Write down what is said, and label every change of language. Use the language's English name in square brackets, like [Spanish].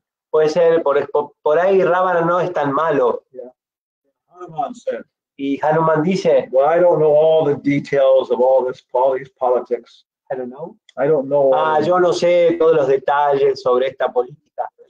[Spanish] Puede ser por ahí Ravana no es tan malo. Y Hanuman dice, [English] well, I don't know all the details of all these politics. I don't know. [Spanish] Yo no sé todos los detalles sobre esta política.